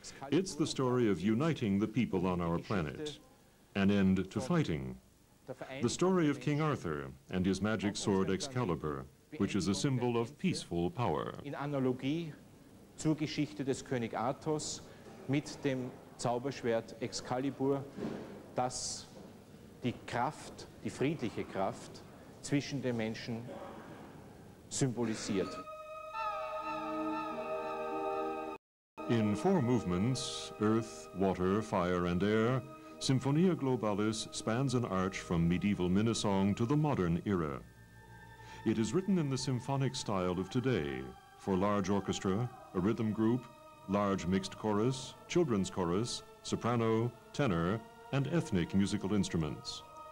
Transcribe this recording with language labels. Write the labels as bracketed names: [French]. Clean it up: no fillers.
[English] It's the story of uniting the people on our planet, an end to fighting. The story of King Arthur and his magic sword Excalibur, which is a symbol of peaceful power. [German] In Analogie zur Geschichte des König Arthurs mit dem Zauberschwert Excalibur, das die Kraft, die friedliche Kraft, zwischen den Menschen symbolisiert. [English] In four movements, earth, water, fire and air, Symphonia Globalis spans an arch from medieval Minnesong to the modern era. It is written in the symphonic style of today for large orchestra, a rhythm group, large mixed chorus, children's chorus, soprano, tenor and ethnic musical instruments.